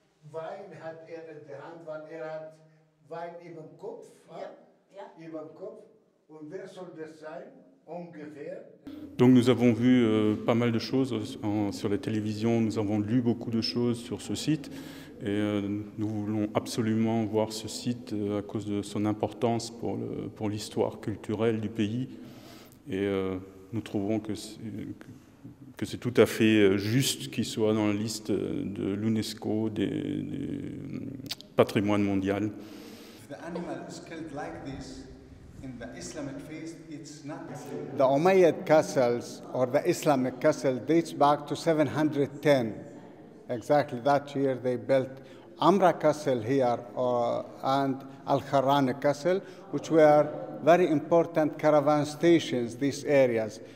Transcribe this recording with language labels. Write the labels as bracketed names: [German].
[German] Wein hat er in der Hand, weil er hat Wein über dem Kopf, über dem Kopf. Und wer soll das sein, ungefähr? [French] Donc nous avons vu pas mal de choses sur la télévision, nous avons lu beaucoup de choses sur ce site et nous voulons absolument voir ce site à cause de son importance pour l'histoire culturelle du pays et nous trouvons que c'est tout à fait juste qu'il soit dans la liste de l'UNESCO des patrimoine mondial. [English] The animal is killed like this in the Islamic faith, it's not the Umayyad castles or the Islamic castle dates back to 710. Exactly that year they built Amra castle here and Al-Kharrani castle, which were very important caravan stations, these areas.